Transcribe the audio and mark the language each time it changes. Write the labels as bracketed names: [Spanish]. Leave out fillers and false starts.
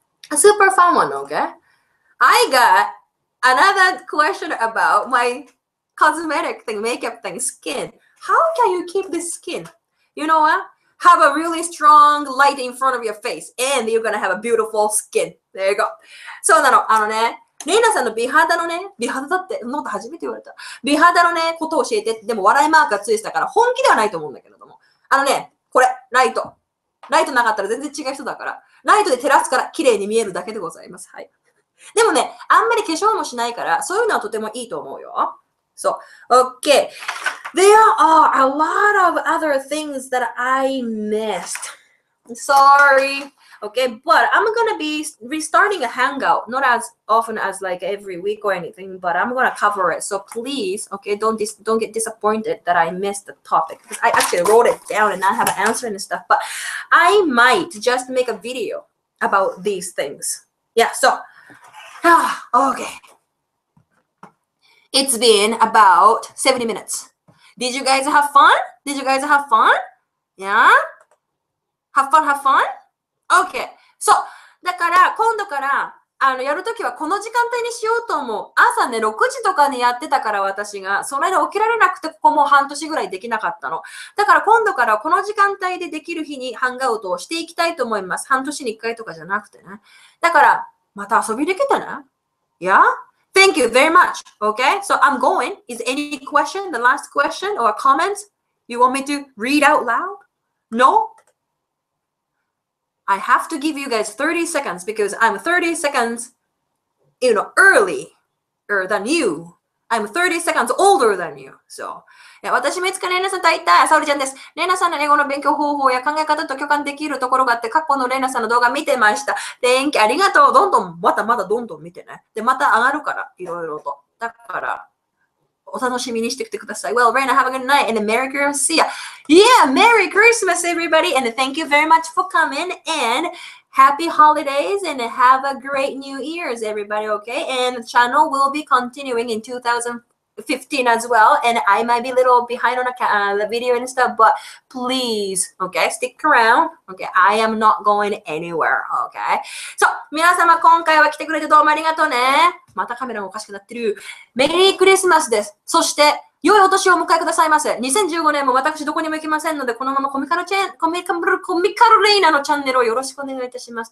[English] A super fun one, okay? I got... Another question about my cosmetic thing, makeup thing, skin. How can you keep this skin? You know what? Have a really strong light in front of your face, and you're gonna have a beautiful skin. There you go. [Japanese] そうなの。あのね、レイナさんの美肌のね、美肌だって、そんなこと初めて言われた。美肌のね、ことを教えて、でも笑いマークがついてたから、本気ではないと思うんだけども。あのね、これ、ライト。ライトなかったら全然違う人だから。ライトで照らすから、綺麗に見えるだけでございます。はい。でもね、あんまり化粧もしないから、そういうのはとてもいいと思うよ。そう。Okay. [English] There are a lot of other things that I missed. Sorry. Okay, but I'm gonna be restarting a hangout, not as often as like every week or anything, but I'm gonna cover it. So please, okay, don't get disappointed that I missed the topic. Because I actually wrote it down and I have an answer and stuff, but I might just make a video about these things. Yeah, so, okay. It's been about 70 minutes. Did you guys have fun? Did you guys have fun? Yeah? Have fun? Okay. [Japanese] So, だから今度からやるときはこの時間帯にしようと思う。朝ね、6時とかにやってたから私が、その間起きられなくて、ここもう半年ぐらいできなかったの。だから今度からこの時間帯でできる日にハンガアウトをしていきたいと思います。半年に1回とかじゃなくてね。だから、また遊びできたな。 [English] Yeah? Thank you very much. Okay, so I'm going. Is any question, the last question or comments you want me to read out loud? No? I have to give you guys 30 seconds because I'm 30 seconds, you know, earlier than you. I'm 30 seconds older than you. So, yeah, [Japanese] 私、みつかれいなさんと会いたい。さおりちゃんです。れいなさんの英語の勉強方法や考え方と共感できるところがあって、過去のれいなさんの動画見てました。 [English] Thank you. [Japanese] ありがとう。どんどん、またまたどんどん見てね。で、また上がるから、いろいろと。だから、お楽しみにしてきてください。 [English] Well, Reina, have a good night and a Merry Christmas. See ya. Yeah, Merry Christmas, everybody. And thank you very much for coming. And Happy Holidays and have a great New Year's, everybody. Okay. And the channel will be continuing in 2015 as well. And I might be a little behind on the video and stuff, but please, okay, stick around. Okay. I am not going anywhere. Okay. [Japanese] So, 皆様、今回は来てくれてどうもありがとうね。またカメラがおかしくなってる。メリークリスマスです。そして、良いお年をお迎えくださいませ。 2015年も私どこにも行きませんので、このままコミカルレイナのチャンネルをよろしくお願いいたします。